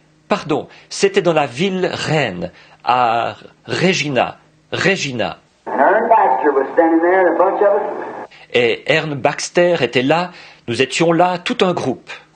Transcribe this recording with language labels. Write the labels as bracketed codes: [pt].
[fr] Pardon, c'était dans la ville reine, à Regina. [en] And Ern Baxter was standing there and a bunch of us. [fr] Et Ern Baxter était là, nous étions là, tout un groupe.